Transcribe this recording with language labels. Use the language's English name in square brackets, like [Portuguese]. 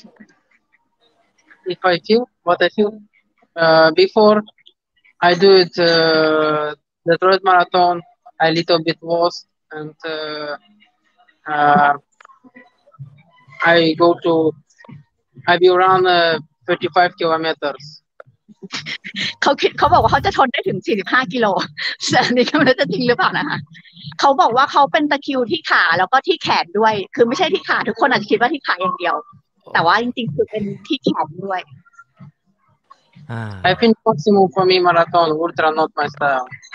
[English] 43 yeah if I feel what I feel beforeI do it the Detroit Marathon, a little bit worse, and I go to, I will run 35 kilometers. [Thai] เขาคิดเขาบอกว่าเขาจะทนได้ถึง45กิโลแต่อันนี้ก็ไม่รู้จะจริงหรือเปล่านะคะเขาบอกว่าเขาเป็นตะคริวที่ขาแล้วก็ที่แขนด้วยคือไม่ใช่ที่ขาทุกคนอาจจะคิดว่าที่ขาอย่างเดียวแต่ว่าจริงๆคือเป็นที่แขนด้วย [English] I think maximum for me marathon ultra not my style.